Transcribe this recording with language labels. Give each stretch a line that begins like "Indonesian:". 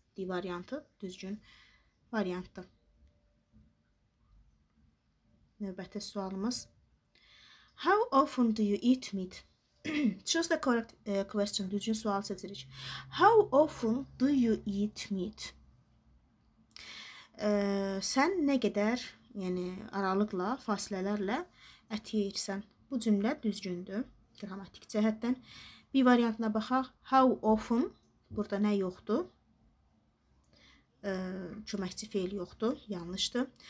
Azerbaijani: D variantı düzgün variantdır. Növbəti sualımız.
English: How often do you eat meat? Choose the correct question.
Azerbaijani: Düzgün sual seçirik.
English: How often do you eat meat?
Azerbaijani: Sən nə qədər, yəni aralıqla, fasilələrlə ət yeyirsən? Bu cümlə düzgündür, qrammatik cəhətdən. B variantına baxaq.
English: How often?
Azerbaijani: Burada nə yoxdur? Köməkçi feil yoxdur, yanlışdır.